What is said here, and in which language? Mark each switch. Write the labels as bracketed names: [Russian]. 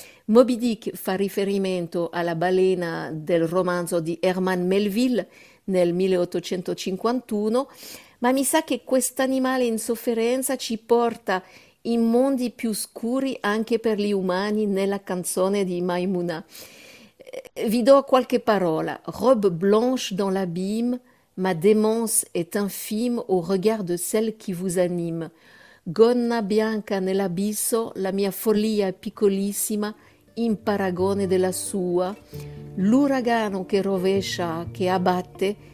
[Italian] Moby Dick fa riferimento alla balena del romanzo di Herman Melville nel 1851, ma mi sa che quest'animale in sofferenza ci porta in mondi più scuri anche per gli umani nella canzone di Maimouna. Vi do qualche parola. [French] Robe blanche dans l'abîme, ma démence est infime au regard de celle qui vous anime. [Italian] Gonna bianca nell'abisso, la mia follia è piccolissima. In paragone della sua, l'uragano che rovescia, che abbatte,